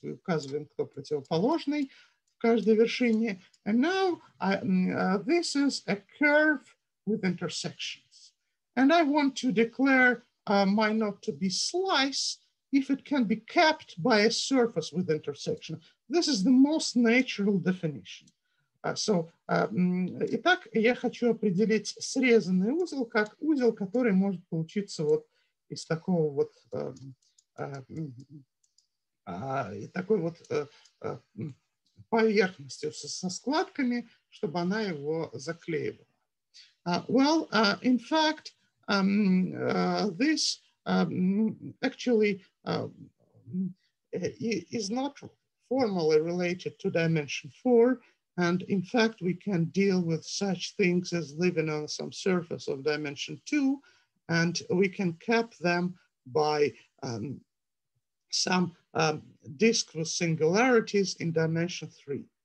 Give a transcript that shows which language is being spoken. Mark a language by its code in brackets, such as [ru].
[en] We [ru] указываем, кто противоположный в каждой вершине. [en] And now this is a curve with intersections. And I want to declare my knot to be slice if it can be capped by a surface with intersection. This is the most natural definition. [ru] Итак, я хочу определить срезанный узел как узел, который может получиться вот из такого вот, такой вот поверхностью со складками, чтобы она его заклеивала. [en] In fact, this actually is not formally related to dimension four. And in fact, we can deal with such things as living on some surface of dimension two, and we can cap them by some disk with singularities in dimension three.